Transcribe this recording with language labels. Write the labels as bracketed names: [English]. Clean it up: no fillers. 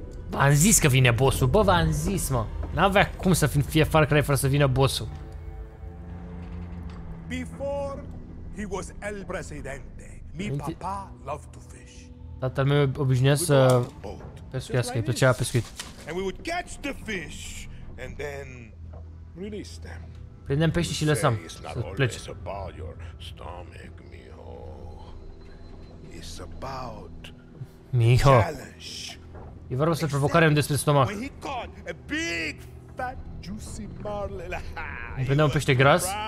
[Romanian] V-am zis că vine boss-ul, bă, v-am zis, mă. N-avea cum să fie Far Cry fără să vină boss-ul. [English] Before he was [Spanish] el presidente, mi papa [English] loved to fish. [Romanian] Tatăl meu obișnuia să pescuiască, îi plăcea pescuit. [English] And we would catch the fish and then release them. [Romanian] Prindem pești și lăsăm să plece. [English] It's about your stomach, mijo. It's about mijo. [Romanian] E vorba să-l provocare despre stomac. [English] When he caught a big fat juicy marlin. [Romanian] Îmi prindea un pește gras.